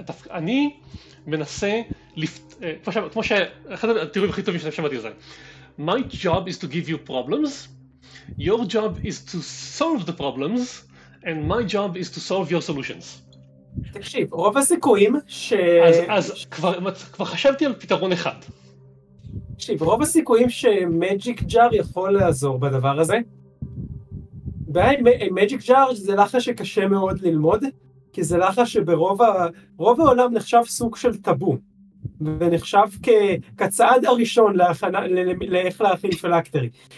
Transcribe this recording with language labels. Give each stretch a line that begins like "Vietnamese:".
Hebrew: אני מנסה כמו שאחד התיאורים הכי טובים שאתם שמעתי זה.
English: My job is to give you problems, your job is to solve the problems, and my job is to solve your solutions.
Hebrew: תקשיב, רוב הסיכויים ש... אז כבר חשבתי על פתרון אחד. תקשיב, רוב הסיכויים שמג'יק ג'אר יכול לעזור בדבר הזה, מג'יק ג'אר זה לחש שקשה מאוד ללמוד, כי זה לחש שברוב העולם נחשב סוג של טאבו, ונחשב כצעד הראשון לאיך להכין פלקטרי.